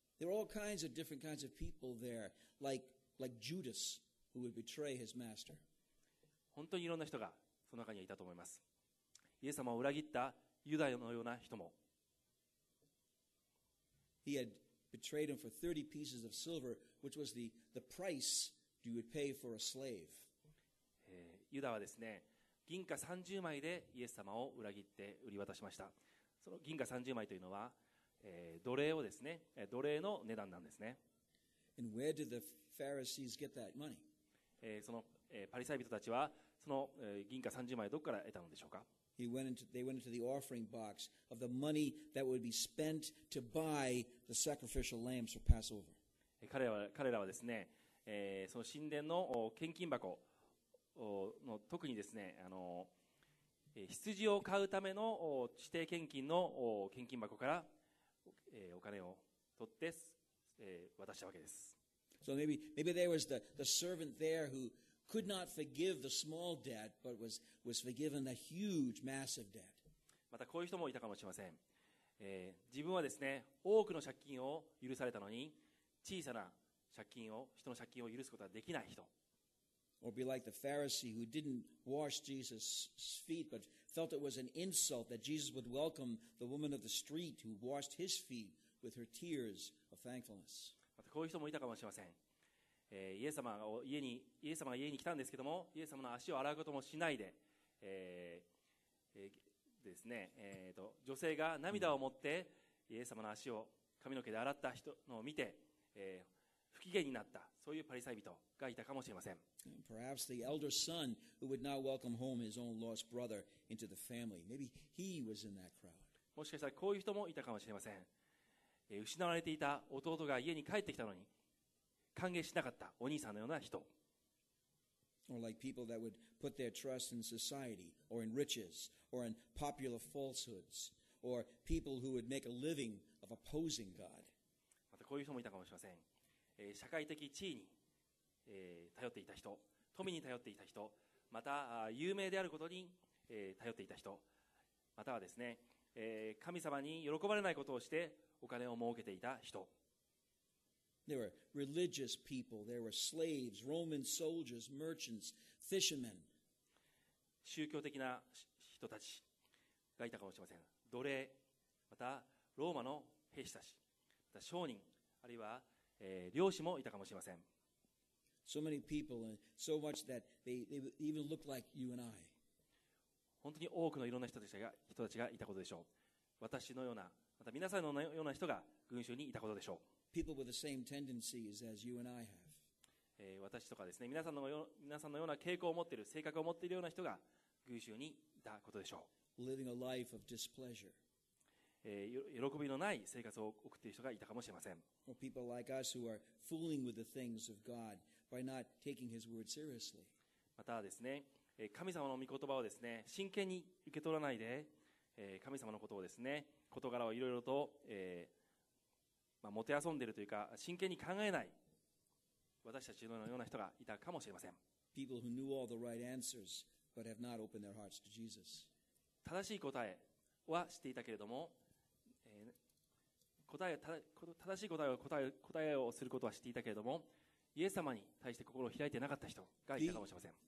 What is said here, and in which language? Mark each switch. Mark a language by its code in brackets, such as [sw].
[en] There were all kinds of different kinds of people there, like Judas. Who would betray his master. [ja] 本当にいろんな人がその中にいたと思います。イエス様を裏切ったユダのような人も。 [en] He had betrayed him for 30 pieces of silver, which was the price you would pay for a slave. [ja] ユダはですね、銀貨30枚でイエス様を裏切って売り渡しました。その銀貨30枚というのは、奴隷をですね、奴隷の値段なんですね。 [en] And where did the Pharisees get that money? [ja] その、パリサイ人たちはその、銀貨30枚どこから得たのでしょうか。 [en] They went into the offering box of the money that would be spent to buy the sacrificial lambs for Passover. [ja] 彼らはですね、その神殿の献金箱の特にですね、羊を買うための指定献金の献金箱から、お金を取って、渡したわけです。 [en] So maybe there was the servant there who could not forgive the small debt, but was forgiven a huge, massive debt. [ja] またこういう人もいたかもしれません。自分はですね、多くの借金を許されたのに、小さな借金を、人の借金を許すことはできない人。 [en] Or be like the Pharisee who didn't wash Jesus' feet, but felt it was an insult that Jesus would welcome the woman of the street who washed his feet with her tears of thankfulness. [ja] こういう人もいたかもしれません。イエス様が家に来たんですけども、イエス様の足を洗うこともしないで、ですね、女性が涙を持ってイエス様の足を髪の毛で洗った人のを見て、不機嫌になった、そういうパリサイ人がいたかもしれません。 [en] Perhaps the elder son who would not welcome home his own lost brother into the family. Maybe he was in that crowd. [ja] もしかしたらこういう人もいたかもしれません。失われていた弟が家に帰ってきたのに歓迎しなかったお兄さんのような人。 [en] Or like people that would put their trust in society or in riches or in popular falsehoods or people who would make a living of opposing God. [ja] またこういう人もいたかもしれません。社会的地位に頼っていた人、富に頼っていた人、また有名であることに頼っていた人、またはですね、神様に喜ばれないことをしてお金を儲けていた人。 [en] There were religious people, there were slaves, Roman soldiers, merchants, fishermen. [ja] 宗教的な人たちがいたかもしれません。奴隷、またローマの兵士たち、また商人、あるいは漁師もいたかもしれません。 [en] So many people and so much that they even look like you and I. [ja] 本当に多くのいろんな人たちがいたことでしょう。私のような、また皆さんのような人が群衆にいたことでしょう。 [en] People with the same tendencies as you and I have. [ja] 私とかですね、皆さんのような傾向を持っている、性格を持っているような人が群衆にいたことでしょう。 [en] Living a life of displeasure. [ja] 喜びのない生活を送っている人がいたかもしれません。 [en] People like us who are fooling with the things of God by not taking His word seriously. [ja] またですね、神様の御言葉をですね、真剣に受け取らないで、神様のことをですね、事柄をいろいろと、もてあそんでいるというか、真剣に考えない私たちのような人がいたかもしれません。 [en] People who knew all the right answers but have not opened their hearts to Jesus. [ja] 正しい答えは知っていたけれども、正しい答えをすることは知っていたけれども、イエス様に対して心を開いてなかった人がいたかもしれません。